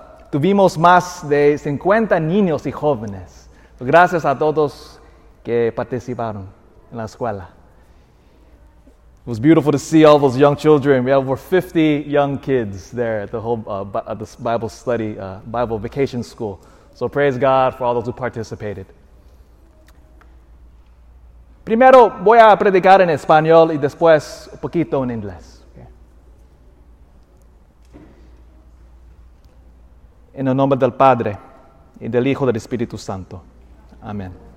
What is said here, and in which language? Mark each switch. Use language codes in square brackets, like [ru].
[es] Tuvimos más de 50 niños y jóvenes. Gracias a todos que participaron en la escuela. [en] It was beautiful to see all those young children. We have over 50 young kids there at the whole this Bible study, Bible Vacation School. So praise God for all those who participated. [es] Primero voy a predicar en español y después un poquito en inglés. En el nombre del Padre y del Hijo del Espíritu Santo. Amén.